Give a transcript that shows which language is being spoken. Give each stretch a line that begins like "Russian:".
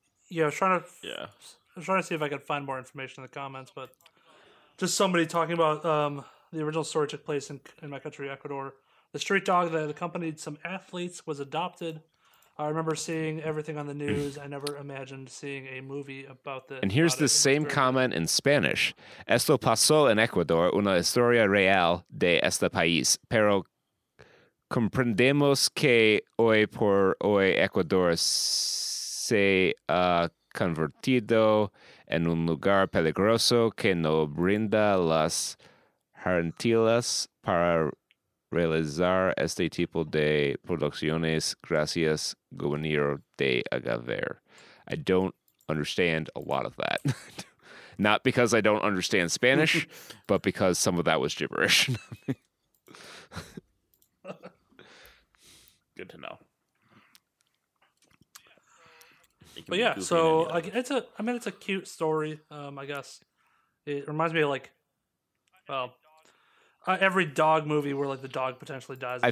English: Yeah, I was trying to see if I could find more information in the comments, but just somebody talking about. The original story took place in my country, Ecuador. The street dog that accompanied some athletes was adopted. I remember seeing everything on the news. I never imagined seeing a movie about this. And here's the same comment in Spanish.
Spanish: Esto pasó en Ecuador, una historia real de este país. Pero comprendemos que hoy por hoy Ecuador se convertido en un lugar peligroso que no brinda las garantías para realizar este tipo de producciones gracias gobierno de Agaver.
English: I don't understand a lot of that. Not because I don't understand Spanish, but because some of that was gibberish. Good to know. But yeah, so like, it's a cute story. I guess it reminds me of like, every dog movie where like the dog potentially dies.